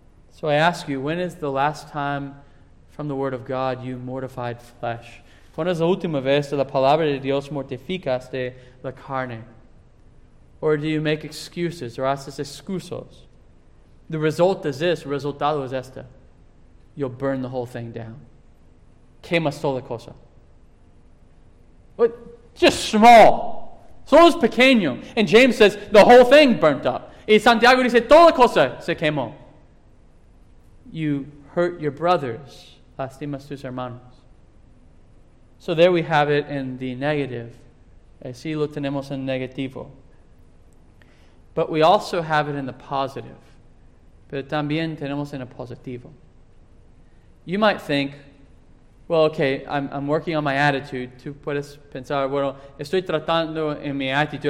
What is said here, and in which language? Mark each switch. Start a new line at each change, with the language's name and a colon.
English: So I ask you, when is the last time from the Word of God you mortified flesh?
Spanish: ¿Cuándo es la última vez que la palabra de Dios mortificaste la carne?
English: Or do you make excuses or
Spanish: haces excusos?
English: The result is this,
Spanish: resultado es este.
English: You'll burn the whole thing down.
Spanish: Quemas toda cosa.
English: But just small.
Spanish: Solo es pequeño.
English: And James says, the whole thing burnt up.
Spanish: Y Santiago dice, toda cosa se quemó.
English: You hurt your brothers.
Spanish: Lastimas tus hermanos.
English: So there we have it in the negative.
Spanish: Así lo tenemos en negativo.
English: But we also have it in the positive.
Spanish: Pero también tenemos en el positivo.
English: You might think, well, okay, I'm working on my attitude.
Spanish: Tú puedes pensar, bueno, estoy tratando en mi actitud.